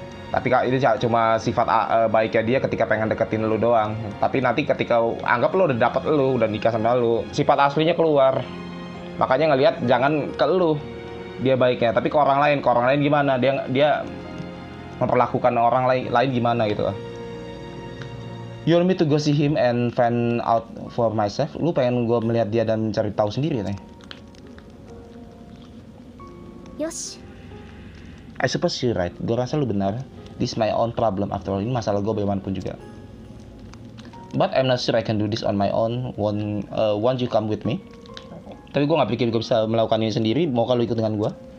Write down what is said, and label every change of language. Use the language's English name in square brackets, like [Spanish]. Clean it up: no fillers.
[Indonesian] Tapi ini cuma sifat baiknya dia ketika pengen deketin lu doang. Tapi nanti ketika anggap lu udah dapet lu, udah nikah sama lu, sifat aslinya keluar. Makanya ngelihat jangan ke lu dia baiknya. Tapi ke orang lain gimana? Dia memperlakukan orang lain gimana gitu. [English] You want me to go see him and find out for myself? [Indonesian] Lu pengen gua melihat dia dan cari tahu sendiri nih? [English] Yes. I suppose you're right. [Indonesian] Gua rasa lu benar. [English] This is my own problem after all. [Indonesian] Ini masalah gua bagaimanapun juga. [English] But I'm not sure I can do this on my own. Won't you come with me? Okay. [Indonesian] Tapi gue nggak pikir gue bisa melakukan ini sendiri. Mau kalau ikut dengan gue?